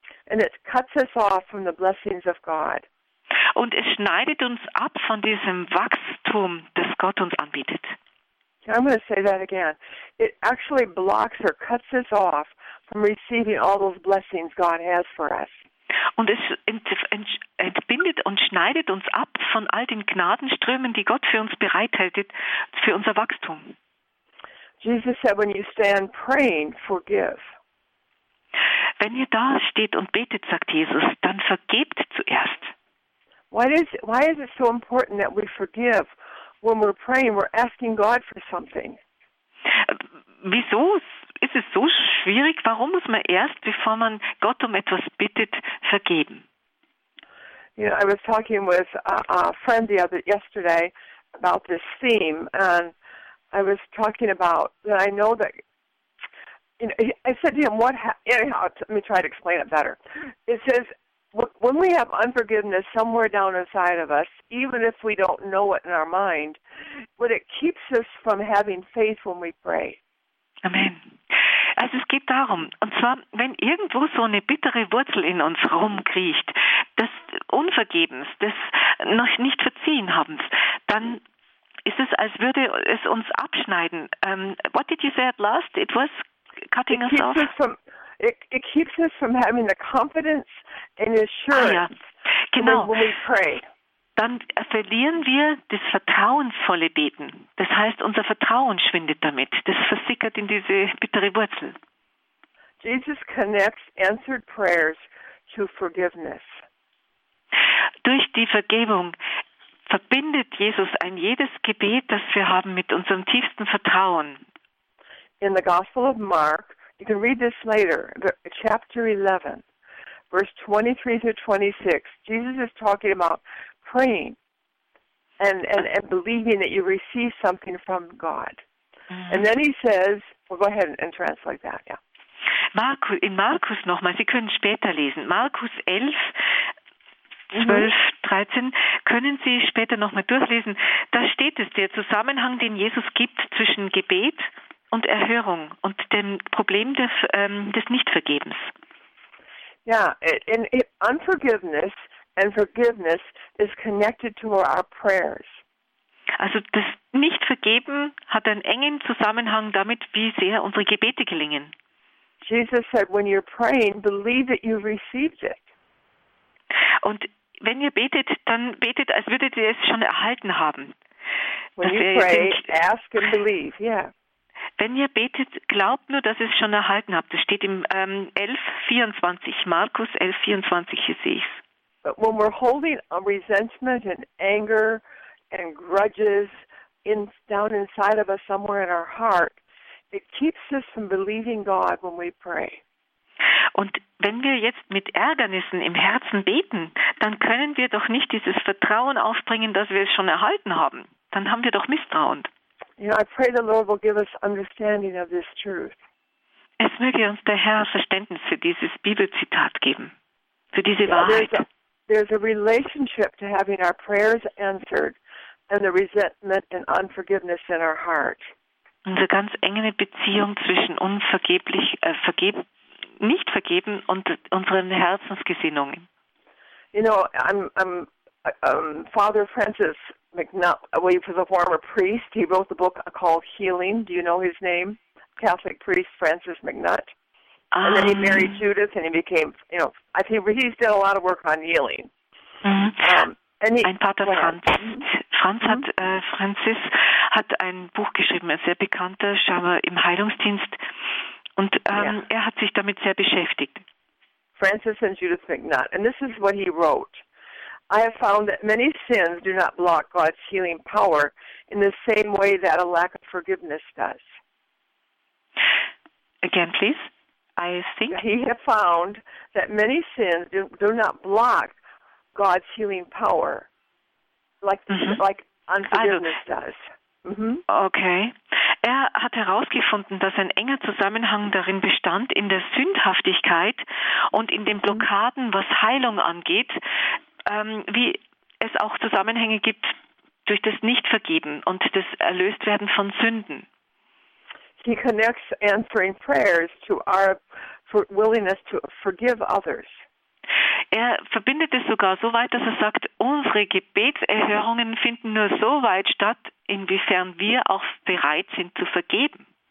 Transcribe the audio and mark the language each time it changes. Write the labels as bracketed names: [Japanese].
[English] And it cuts us off from the blessings of God. [German] Und es schneidet uns ab von diesem Wachstum, das Gott uns anbietet. [English] I'm going to say that again. It actually blocks or cuts us off from receiving all those blessings God has for us. [German] Und es entbindet und schneidet uns ab von all den Gnadenströmen, die Gott für uns bereithält, für unser Wachstum. [English] Jesus said, when you stand praying, forgive. [German] Wenn ihr da steht und betet, sagt Jesus, dann vergebt zuerst. [English] Why is it so important that we forgive when we're praying, we're asking God for something? [German] Wieso ist es so schwierig? Warum muss man erst, bevor man Gott um etwas bittet, vergeben? [English] You know, I was talking with a friend the other yesterday about this theme, and I was talking about that. I know that, you know, I said to him, "What? Anyhow, let me try to explain it better." It says, when we have unforgiveness somewhere down inside of us, even if we don't know it in our mind, but it keeps us from having faith when we pray. Amen. [German] Also es geht darum, und zwar, wenn irgendwo so eine bittere Wurzel in uns rumkriecht, des Unvergebens, des noch nicht verziehen Habens, dann ist es, als würde es uns abschneiden. [English] What did you say at last? It was cutting us off. It keeps us from having the confidence and assurance when we pray. [German] Dann verlieren wir das vertrauensvolle Beten. Das heißt, unser Vertrauen schwindet damit. Das versickert in diese bittere Wurzel. [English] Jesus connects answered prayers to forgiveness. [German] Durch die Vergebung verbindet Jesus ein jedes Gebet, das wir haben, mit unserem tiefsten Vertrauen. [English] In the Gospel of Mark, you can read this later, chapter 11, verse 23 through 26. Jesus is talking about praying and believing that you receive something from God. Mm-hmm. And then he says, well, go ahead and translate that, yeah. [German] Markus, in Markus nochmal, Sie können später lesen. Markus 11, 12, mm-hmm. 13, können Sie später nochmal durchlesen. Da steht es, der Zusammenhang, den Jesus gibt zwischen Gebet und Erhörung und dem Problem des Nichtvergebens. Ja, [English] unforgiveness and forgiveness is connected to our prayers. [German] Also das Nichtvergeben hat einen engen Zusammenhang damit, wie sehr unsere Gebete gelingen. [English] Jesus said, when you're praying, believe that you received it. [German] Und wenn ihr betet, dann betet, als würdet ihr es schon erhalten haben. [English] When you pray, ask and believe, yeah. [German] Wenn ihr betet, glaubt nur, dass ihr es schon erhalten habt. Das steht im 11:24, Markus 11:24, hier sehe ich es. [English] But when we're holding a resentment and anger and grudges down inside of us somewhere in our heart, it keeps us from believing God when we pray. [German] Und wenn wir jetzt mit Ärgernissen im Herzen beten, dann können wir doch nicht dieses Vertrauen aufbringen, dass wir es schon erhalten haben. Dann haben wir doch Misstrauen. [English] You know, I pray the Lord will give us understanding of this truth. [German] Es möge uns der Herr Verständnis für dieses Bibelzitat geben, für diese Wahrheit. [English] There's a relationship to having our prayers answered and the resentment and unforgiveness in our heart. [German] Eine ganz enge Beziehung zwischen unvergeblich, nicht vergeben und unseren Herzensgesinnungen. [English] You know, I'm Father Francis McNutt, well, he was a former priest. He wrote the book called Healing. Do you know his name? Catholic priest Francis McNutt. And then he married Judith and he became, you know, I think he's done a lot of work on healing. [German] Ein Pater Franz hat, Francis hat ein Buch geschrieben, ein sehr bekannter Schauer im Heilungsdienst. Und er hat sich damit sehr beschäftigt. [English] Francis and Judith McNutt. And this is what he wrote. I have found that many sins do not block God's healing power in the same way that a lack of forgiveness does. Again, please. I think he has found that many sins do not block God's healing power like unforgiveness does. Mm-hmm. Okay. [German] Er hat herausgefunden, dass ein enger Zusammenhang darin bestand in der Sündhaftigkeit und in den Blockaden, was Heilung angeht. Wie es auch Zusammenhänge gibt durch das Nichtvergeben und das Erlöstwerden von Sünden. [English] He connects answering prayers to our willingness to forgive others. [German] Er verbindet es sogar so weit, dass er sagt, unsere Gebetserhörungen finden nur so weit statt, inwiefern wir auch bereit sind zu vergeben.